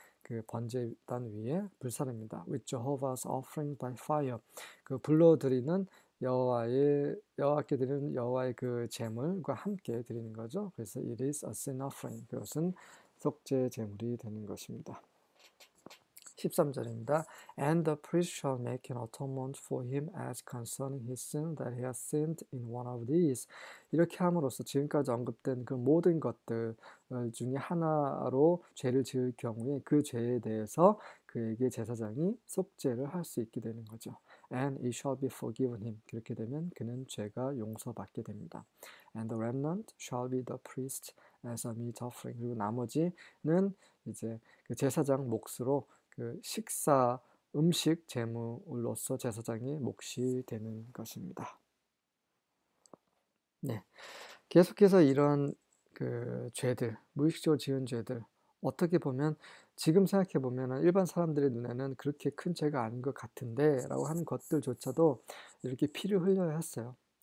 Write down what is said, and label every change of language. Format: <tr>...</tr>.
<ko>그 번제단 위에 불사릅니다.</ko> <en>With Jehovah's offering by fire.</en> <ko>그 불로 드리는 여호와께 드리는 여호와의 그 제물과 함께 드리는 거죠. 그래서</ko> <en>it is a sin offering.</en> <ko>그것은 속죄 제물이 되는 것입니다. 13절입니다.</ko> <en>And the priest shall make an atonement for him as concerning his sin that he has sinned in one of these.</en> <ko>이렇게 함으로써 지금까지 언급된 그 모든 것들 중에 하나로 죄를 지을 경우에 그 죄에 대해서 그에게 제사장이 속죄를 할수 있게 되는 거죠.</ko> <en>And it shall be forgiven him.</en> <ko>그렇게 되면 그는 죄가 용서받게 됩니다.</ko> <en>And the remnant shall be the priest as a meat offering.</en> <ko>그리고 나머지는 이제 그 제사장 몫으로 그 식사 음식 제물로서 제사장의 몫이 되는 것입니다. 네, 계속해서 이런 그 죄들, 무의식적으로 지은 죄들 어떻게 보면 지금 생각해 보면 일반 사람들의 눈에는 그렇게 큰 죄가 아닌 것 같은데라고 하는 것들조차도 이렇게 피를 흘려야 했어요.</ko>